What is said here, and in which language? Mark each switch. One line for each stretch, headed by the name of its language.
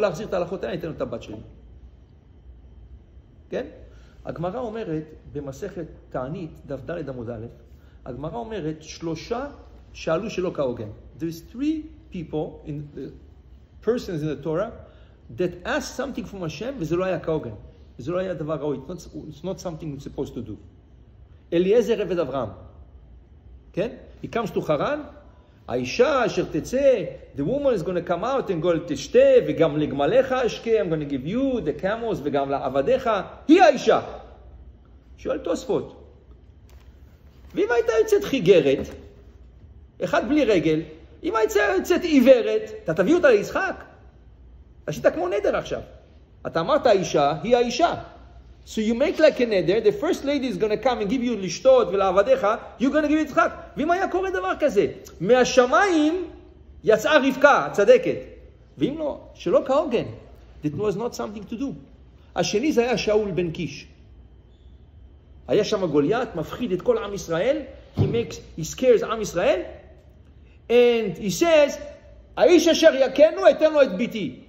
Hebrew: להחזיר את ההלכות האלה, ניתן לו את הבת שלי. כן? הגמרא אומרת, במסכת תענית, דף ד' עמוד א', הגמרא אומרת, שלושה שאלו שלא כהוגן.
English: There's three people, persons in the Torah, that asked something from Hashem,
Hebrew: וזה לא היה כהוגן. זה לא היה דבר ראוי.
English: It's not something you're supposed to do.
Hebrew: אליעזר עבד אברהם. כן?
English: He comes to Haran.
Hebrew: האישה אשר תצא,
English: the woman is going to come out and go to
Hebrew: תשתה, וגם לגמליך אשקה,
English: I'm going to give you the camels,
Hebrew: וגם לעבדיך. היא האישה. שואל תוספות. ואם הייתה יוצאת חיגרת, אחד בלי רגל, אם הייתה יוצאת עיוורת, אתה תביא אותה ליצחק? עשית כמו נדר עכשיו. אתה אמרת האישה, היא האישה.
English: So you make like a neder, the first lady is going to come and give you
Hebrew: לשתות ולעבדיך,
English: you're going to give it יצחק.
Hebrew: ואם היה קורה דבר כזה, מהשמיים יצאה רבקה, צדקת. ואם לא, שלא כהוגן.
English: That was not something to do.
Hebrew: השני זה היה שאול בן קיש. היה שם גוליית, מפחיד את כל עם ישראל,
English: he scares
Hebrew: עם ישראל,
English: and he says,
Hebrew: האיש אשר יקנו, אתן לו את ביתי.